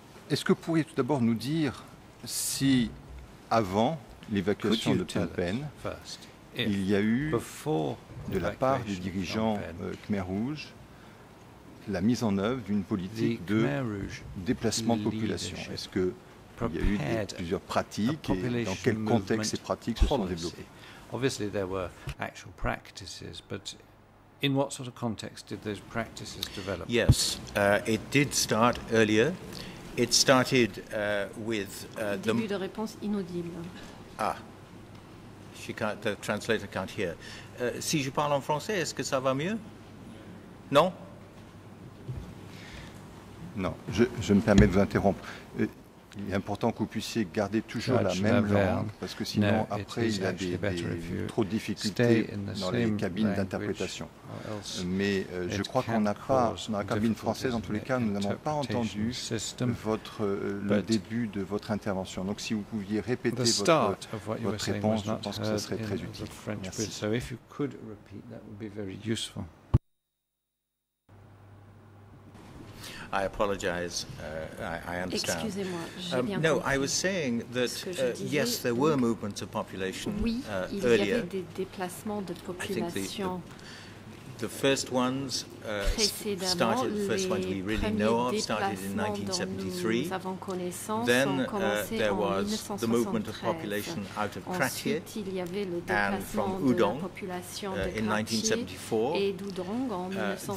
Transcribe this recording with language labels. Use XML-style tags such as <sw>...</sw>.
<fr>Est-ce que vous pourriez tout d'abord nous dire si, avant l'évacuation de Phnom Penh, il y a eu, de la part du dirigeant Khmer Rouge, la mise en œuvre d'une politique de déplacement de population? Est-ce qu'il y a eu plusieurs pratiques et dans quel contexte ces pratiques se sont développées?</fr> <en>Obviously, there were actual practices, but in what sort of context did those practices develop? Yes, it did start earlier. It started with</en> <fr>the début de réponse inaudible.</fr> <en>Ah, the translator can't hear.</en> <fr>Si je parle en français, est-ce que ça va mieux? Non? Non, je me permets de vous interrompre. Il est important que vous puissiez garder toujours la même langue, parce que sinon, après, il y a trop de difficultés dans les cabines d'interprétation. Mais je crois qu'on n'a pas, dans la cabine française, en tous les cas, nous n'avons pas entendu le début de votre intervention. Donc, si vous pouviez répéter votre réponse, je pense que ce serait très utile. Merci.</fr> <en>I apologize. I understand.</en> <fr>Excusez-moi, j'ai bien compris.</fr> <en>No, I was saying that yes, there were movements of population earlier.</en> <fr>Oui, il y avait des déplacements de population.</fr> <en>I think the first ones started. The first ones we really know of started in 1973. Then there was the movement of population out of Krathia and from Udong in 1974.</en>